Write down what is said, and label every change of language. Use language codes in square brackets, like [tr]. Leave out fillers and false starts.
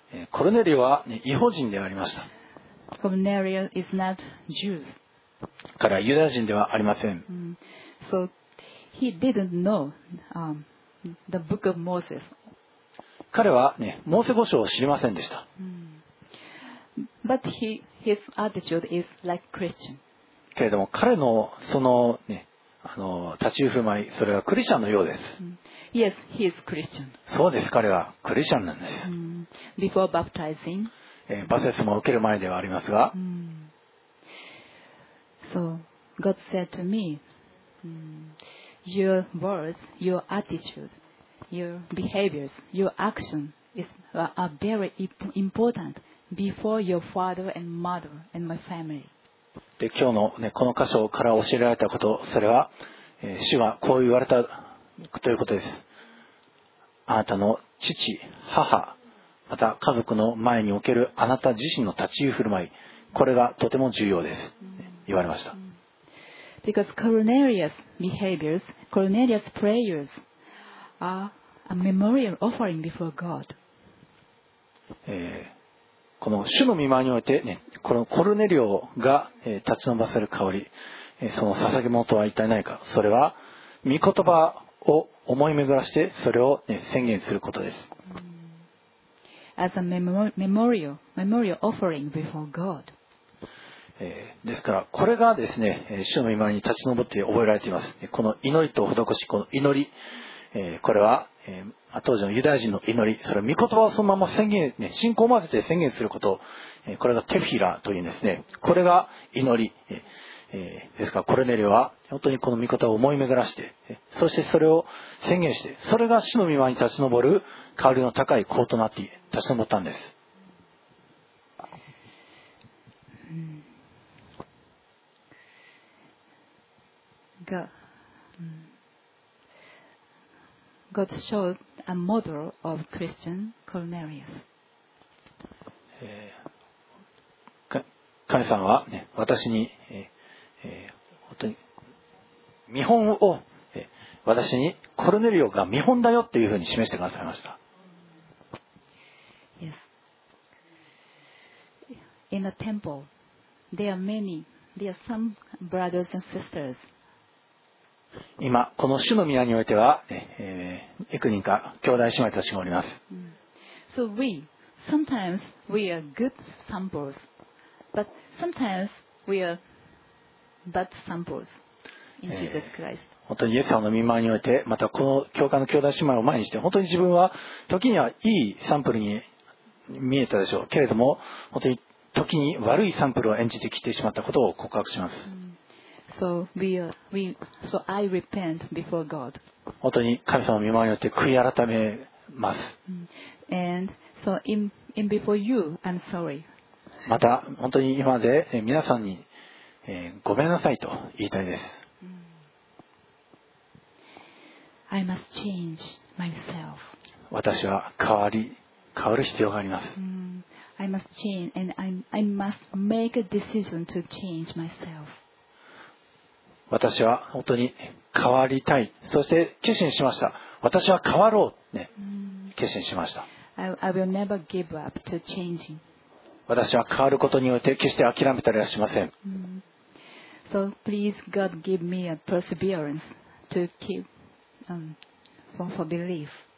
[ja] コルネリオは、ね、異邦人でありました。 [en] Cornelius is not Jews. [ja] からユダヤ人ではありません。 [en] So,He didn't know, the book of Moses. [ja] 彼は、ね、モーセ五章を知りませんでした。 [en] But his attitude is like Christian. [ja] けれども彼のその、ね、立ち振る舞い、それはクリスチャンのようです。 [en] Yes, he is Christian. [ja] そうです、彼はクリスチャンなんです。 [en] Before baptizing. [ja] バセスも受ける前ではありますが。 [en] So, God said to me,Your words, your attitude, your behaviors, your action is very important before your father and mother and my family. [ja] で今日の、ね、この箇所から教えられたこと、それは、主はこう言われたということです。あなたの父、母、また家族の前におけるあなた自身の立ち居振る舞い、これがとても重要です。言われました。 [en] Because Cornelius behaviors, Cornelius prayers are a memorial offering before God. [ja] この主の御前において、ね、このコルネリオが、立ち伸ばせる香り、その捧げ物とは一体何か、それは御言葉を思い巡らして、それを、ね、宣言することです。 [en] As a memorial offering before God. [ja] ですからこれがですね、主の御前に立ち上って覚えられています。この祈りと施し、この祈り、これは、当時のユダヤ人の祈り、それは御言葉をそのまま宣言、ね、信仰を混ぜて宣言すること、これがテフィラというんですね。これが祈り、ですからコルネリオは本当にこの御言葉を思い巡らして、そしてそれを宣言して、それが主の御前に立ち上る香りの高い香となって立ち上ったんです。 [en] God showed a model of Christian Cornelius. [ja] 神さんは、ね、私に、本当に見本を、私にコルネリオが見本だよというふうに示してくださいました。 [en] Yes. In the temple, there are many. There are some brothers and sisters. [ja] 今この主の宮においては、幾人か兄弟姉妹たちがおります。 [en] So we sometimes we are good samples, but sometimes we are bad samples in Jesus Christ. [ja] 本当にイエス様の御前において、またこの教会の兄弟姉妹を前にして、本当に自分は時にはいいサンプルに見えたでしょうけれども、本当に時に悪いサンプルを演じてきてしまったことを告白します。 [en] So so I repent before God. [ja] 本当に神様の御前によって悔い改めます。 [en] And so in before you, I'm sorry. [ja] また本当に今まで皆さんに、ごめんなさいと言いたいです。 [en] I must change myself. [ja] 私は変わる必要があります。 [en] I must change and I must make a decision to change myself. [ja] 私は本当に変わりたい。そして決心しました。私は変わろうね。決心しました。 [en] I will never give up to changing. [ja] 私は変わることによって決して諦めたりはしません。 [en] So please God give me a perseverance to keep for belief.